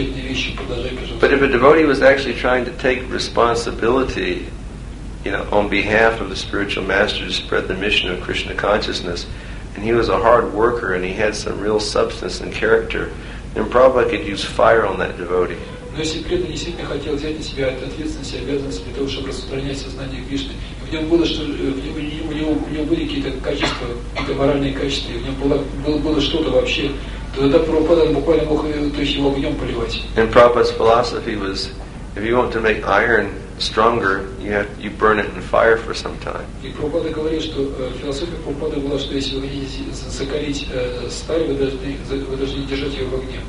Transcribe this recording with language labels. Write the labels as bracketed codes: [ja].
[en] But if a devotee was actually trying to take responsibility, you know, on behalf of the spiritual master to spread the mission of Krishna consciousness, and he was a hard worker and he had some real substance and character, then Prabhupada could use fire on that devotee. [ru] Но если преданный действительно хотел взять на себя эту ответственность и обязанность для того, чтобы распространять сознание Кришны, в нем было что, в нем были какие-то качества, какие-то моральные качества, и в нем было что-то вообще, то тогда Прабхупада буквально мог, то есть его огнем поливать. [en] And Prabhupada's philosophy was, if you want to make iron stronger, you burn it in fire for some time. [ru] И Прабхупада говорил, что философия Прабхупады была, что если вы хотите закалить сталь, вы должны держать ее в огне.